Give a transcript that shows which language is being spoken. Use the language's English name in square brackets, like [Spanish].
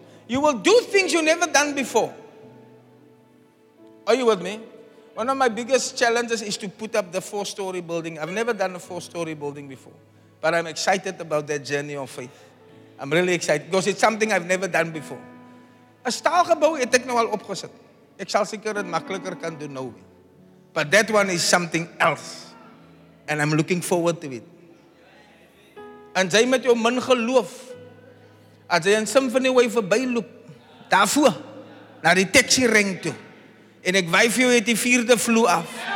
[English] You will do things you never done before. Are you with me? One of my biggest challenges is to put up the four-story building. I've never done a four-story building before. But I'm excited about that journey of faith. I'm really excited because it's something I've never done before. [Afrikaans] A staalgebouw het ek nou al opgesit. Ek sal seker dit makliker kan doen nou. [English] But that one is something else. And I'm looking forward to it. [Afrikaans] En jy met jou min geloof, as jy in Symphony Way verby loop, daarvoor, na die taxi ring toe, en ek wijf jou uit die vierde vloer af.